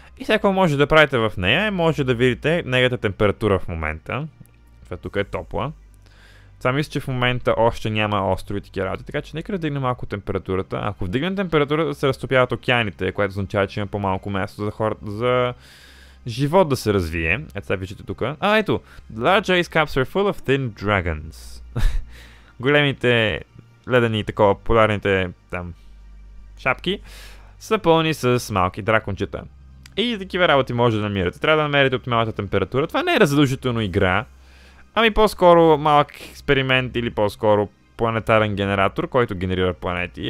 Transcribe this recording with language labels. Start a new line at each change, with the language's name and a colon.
Bulgarian: И всяко може да правите в нея, може да видите негата температура в момента. Това тук е топла. Това мисля, че в момента още няма острови такива работи, така че нека да вдигнем малко температурата. Ако вдигнем температурата, се разтопяват океаните, което означава, че има по-малко място за хората, за живот да се развие. Ето сега виждате тук. Ето!
English: Large ice caps are full of thin dragons.
Bulgarian: Големите ледени такова, полярните там шапки са пълни с малки дракончета. И такива работи може да намирате. Трябва да намерите оптималната температура. Това не е разложително игра. По-скоро малък експеримент или по-скоро планетарен генератор, който генерира планети.